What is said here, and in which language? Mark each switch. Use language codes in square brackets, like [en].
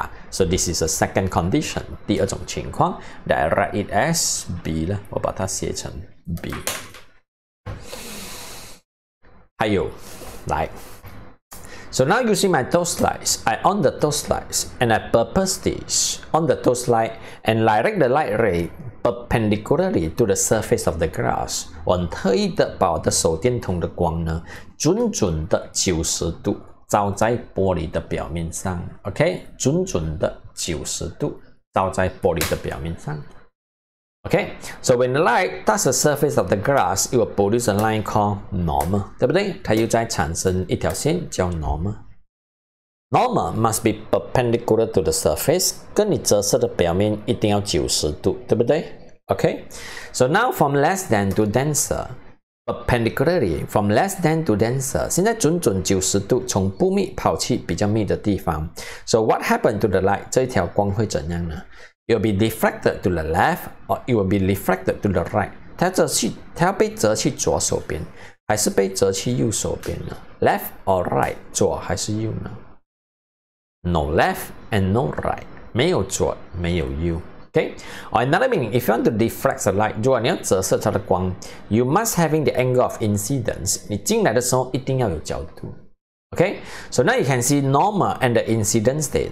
[en] So this is a second condition. [zh] 第二种情况 [en] that I write it as B [zh] 呢，我把它写成 B。还有，来。 [en] So now using my toast lights, I on the toast lights and I purpose this on the toast light and direct the light ray perpendicularly to the surface of the glass. [zh] 我特意的把我的手电筒的光呢，准准的90度照在玻璃的表面上。 OK， 准准的90度照在玻璃的表面上。 [en] Okay, so when the light touches the surface of the glass, it will produce a line called normal, [zh] 对不对？它又再产生一条线叫 normal. [en] Normal must be perpendicular to the surface, [zh] 跟你折射的表面一定要90度，对不对？ [en] Okay, so now from less than to denser, perpendicularly, from less than to denser, [zh] 现在准准90度从不密跑去比较密的地方。 [en] So what happened to the light? [zh] 这一条光会怎样呢？ [en] It will be diffracted to the left, or it will be refracted to the right. [zh] 它要被折去左手边，还是被折去右手边呢？ [en] Left or right, [zh] 左还是右呢？ [en] No left and no right, [zh] 没有左，没有右。 [en] Okay? Or another meaning, if you want to diffract the light, [zh] 如果你要折射它的光， [en] you must having the angle of incidence. [zh] 你进来的时候一定要有角度。 [en] Okay, so now you can see normal and the incidence day.